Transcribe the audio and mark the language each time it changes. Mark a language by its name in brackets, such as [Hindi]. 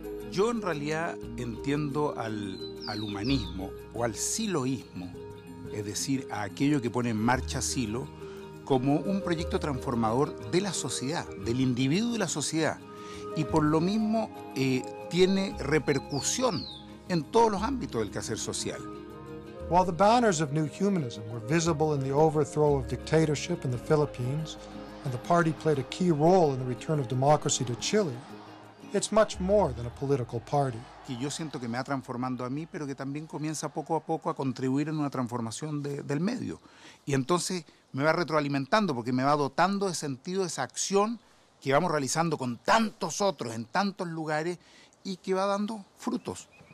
[Spanish] Yo en realidad entiendo al humanismo o al siloísmo, es decir, a aquello que pone en marcha Cilo, como un proyecto transformador de la sociedad, del individuo y la sociedad. Y por lo mismo tiene repercusión en todos los ámbitos del quehacer social. [English] While the banners of new humanism were visible in the overthrow of dictatorship in the Philippines, and the party played a key role in the return of democracy to Chile, it's much more than a political party. [Spanish] Y yo siento que me ha transformando a mí, pero que también comienza poco a poco a contribuir en una transformación del medio. Y entonces me va retroalimentando porque me va dotando de sentido esa acción que vamos realizando con tantos otros en tantos lugares y que va dando frutos.